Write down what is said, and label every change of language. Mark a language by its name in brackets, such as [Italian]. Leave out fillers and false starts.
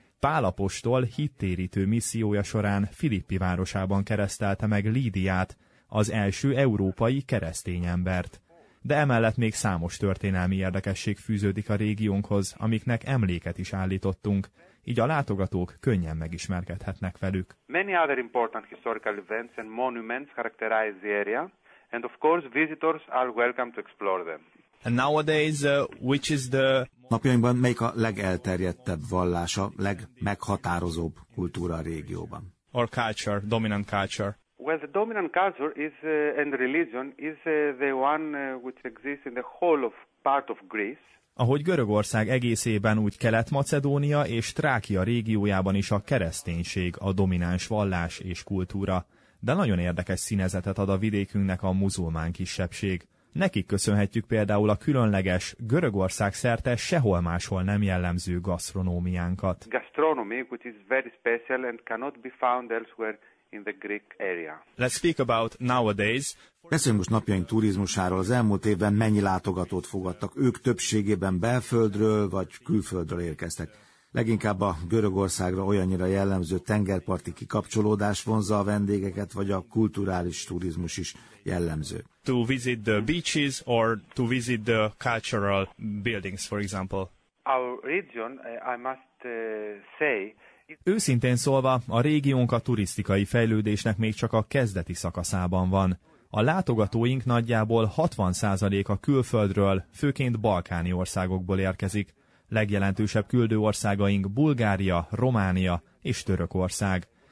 [Hungarian] Pál apostol hittérítő missziója során Filippi városában keresztelte meg Lídiát, az első európai keresztény embert. De emellett még számos történelmi érdekesség fűződik a régiónkhoz, amiknek emléket is állítottunk, így a látogatók könnyen megismerkedhetnek velük. [English] Many other important historical events and monuments characterize the area, and of course visitors are welcome to explore them. And nowadays, which is the... [Hungarian] Napjainkban melyik a legelterjedtebb vallás, a legmeghatározóbb kultúra a régióban? [English] Or culture, dominant culture. Well, the dominant culture is and religion is the one which exists in the whole of part of Greece. [Hungarian] Ahogy Görögország egészében, úgy Kelet-Macedónia és Trákia régiójában is a kereszténység a domináns vallás és kultúra. De nagyon érdekes színezetet ad a vidékünknek a muzulmán kisebbség. Nekik köszönhetjük például a különleges, Görögország szerte sehol máshol nem jellemző gasztronómiánkat. [English] Gastronomy, which is very special and cannot be found elsewhere in the Greek area. Let's speak about nowadays. [Hungarian] Beszéljünk most napjaink turizmusáról. Az elmúlt évben mennyi látogatót fogadtak? Ők többségében belföldről vagy külföldről érkeztek? Leginkább a Görögországra olyannyira jellemző tengerparti kikapcsolódás vonza a vendégeket, vagy a kulturális turizmus is jellemző. [English] To visit the beaches or to visit the cultural buildings, for example. Our region, I must say... [Hungarian] Őszintén szólva, a régiónk a turisztikai fejlődésnek még csak a kezdeti szakaszában van. A látogatóink nagyjából 60%-a külföldről, főként balkáni országokból érkezik. Legjelentősebb küldőországaink Bulgária, Románia és Törökország.